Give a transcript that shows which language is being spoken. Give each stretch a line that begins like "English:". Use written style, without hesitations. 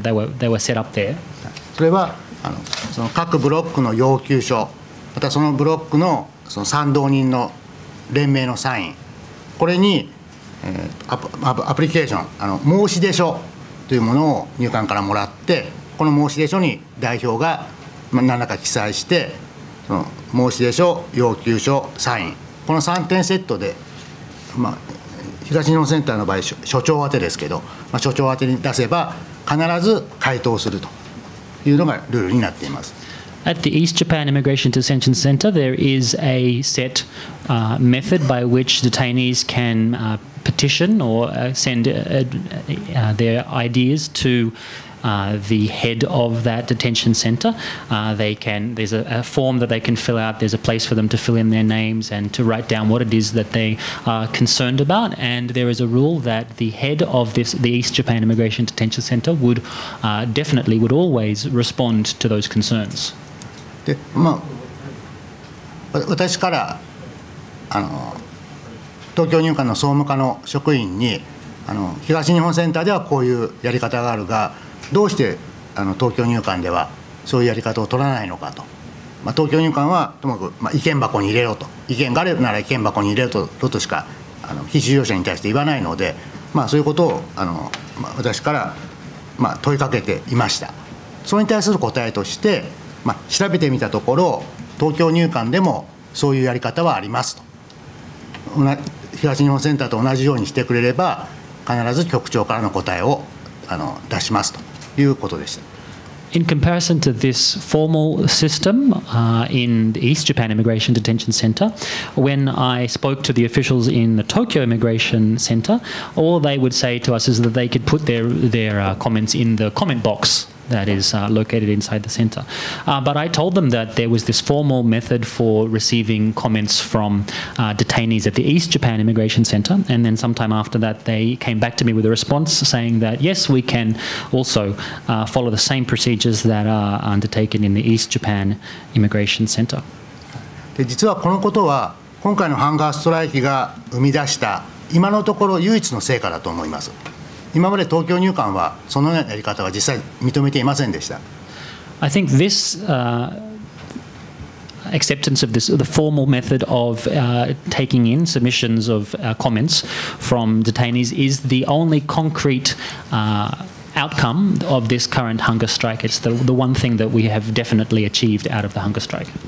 English: They were set up there.
Japanese: それはその各ブロックの要求書、またそのブロックの その賛同人の連名のサイン、これに、アプリケーション、申し出書というものを入管からもらって、この申し出書に代表が何らか記載して、申し出書、要求書、サイン、この3点セットで、まあ、東日本センターの場合、所長宛てですけど、まあ、所長宛てに出せば、必ず回答するというのがルールになっています。
English: At the East Japan Immigration Detention Center, there is a set method by which detainees can petition or send their ideas to. The head of that detention center. There's a form that they can fill out. There's a place for them to fill in their names and to write down what it is that they are concerned about. And there is a rule that the head of the East Japan Immigration Detention Center would always respond to those concerns.
Japanese: で、まあ、私から東京入管の総務課の職員に東日本センターではこういうやり方があるが、どうして東京入管ではそういうやり方を取らないのかと、まあ、東京入管はともかく、まあ、意見箱に入れろと、意見があるなら意見箱に入れろとしか非収容者に対して言わないので、まあ、そういうことを私から、まあ、問いかけていました。それに対する答えとして、まあ、調べてみたところ、東京入管でもそういうやり方はありますと、東日本センターと同じようにしてくれれば必ず局長からの答えを出しますということでした。
English: In comparison to this formal system, in the East Japan Immigration Detention Center, when I spoke to the officials in the Tokyo Immigration Center, all they would say to us is that they could put their comments in the comment box. That is located inside the center. But I told them that there was this formal method for receiving comments from detainees at the East Japan Immigration Center. And then sometime after that, they came back to me with a response saying that, yes, we can also follow the same procedures that are undertaken in the East Japan Immigration Center.
Japanese: で、実はこのことは今回のハンガーストライキが生み出した今のところ唯一の成果だと思います。今まで東京入管はそのようなやり方は実際認めていませんでした。
English: I think this acceptance of this, the formal method of taking in submissions of comments from detainees is the only concrete outcome of this current hunger strike. It's the one thing that we have definitely achieved out of the hunger strike.